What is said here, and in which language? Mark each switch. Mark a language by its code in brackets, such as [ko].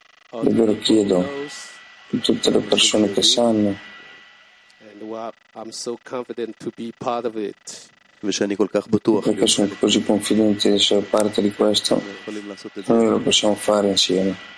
[it] Davvero chiedo a tutte le persone che sanno. [en] I'm so confident to be part of it. [it] Perché sono così confidente di essere parte di questo, noi lo possiamo fare insieme.